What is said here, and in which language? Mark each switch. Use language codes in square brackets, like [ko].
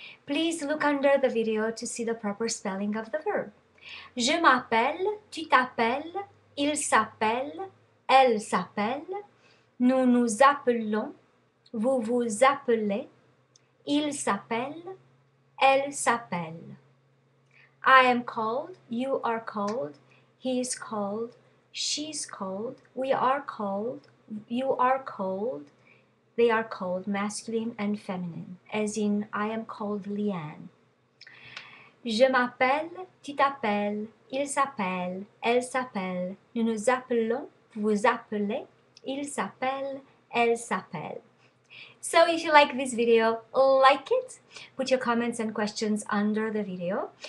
[en] Please look under the video to see the proper spelling of the verb. [fr] Je m'appelle, tu t'appelles, il s'appelle, elle s'appelle, nous nous appelons, vous vous appelez, il s'appelle, elle s'appelle. [en] I am called, you are called, he is called, she's called, we are called, you are called, they are called, masculine and feminine, as in I am called Llyane. [fr] Je m'appelle, tu t'appelles, il s'appelle, elle s'appelle, nous nous appelons, vous appelez, il s'appelle, elle s'appelle. [en] So if you like this video, like it, put your comments and questions under the video.